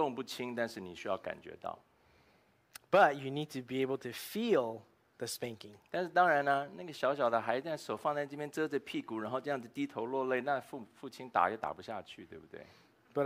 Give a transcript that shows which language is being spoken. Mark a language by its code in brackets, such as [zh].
[zh] 但是我说不重不轻，但是你需要感觉到。 [en] But you need to be able to feel the spanking. [zh] 但是当然呢，那个小小的孩子手放在这边遮着屁股，然后这样子低头落泪，那父亲打也打不下去，对不对？ [en] But